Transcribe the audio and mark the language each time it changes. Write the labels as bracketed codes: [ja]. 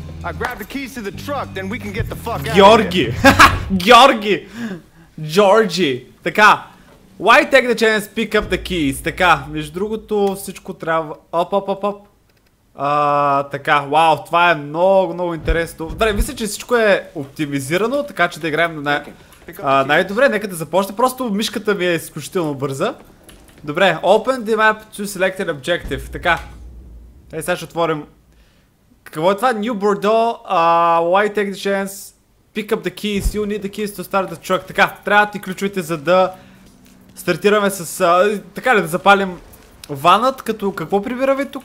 [en] I grab the keys to the truck, then we can get the fuck out. [bg] Георги. Георги. Джорджи. Така. [en] Why take the chance to pick up the keys? [bg] Така. Между другото, всичко трябва. Оп, оп, оп, оп. Така. Вау, това е много, много интересно. Добре, мисля, че всичко е оптимизирано, така че да играем на най-добре, нека да започне. Просто мишката ми е изключително бърза. Добре, [en] open the map to select an objective. [bg] Така. Ей, сега ще отворим. Какво е това? [en] New Bordeaux, why take the chance? Pick up the keys, you need the keys to start the truck. [bg] Така, трябва ти ключовете, за да стартираме с... така ли, да запалим ванът, като какво прибираме тук?